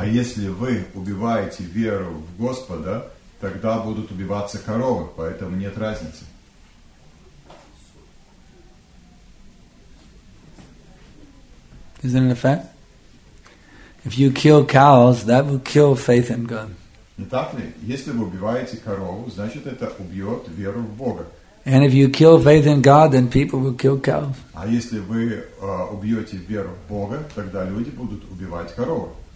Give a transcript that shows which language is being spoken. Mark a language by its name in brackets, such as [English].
[Russian] А если вы убиваете веру в Господа, тогда будут убиваться коровы, поэтому нет разницы. [English] Is that an effect? If you kill cows, that will kill faith in God. [Russian] Не так ли? Если вы убиваете корову, значит это убьет веру в Бога. [English] And if you kill faith in God, then people will kill cows. [Russian] А если вы убьете веру в Бога, тогда люди будут убивать корову.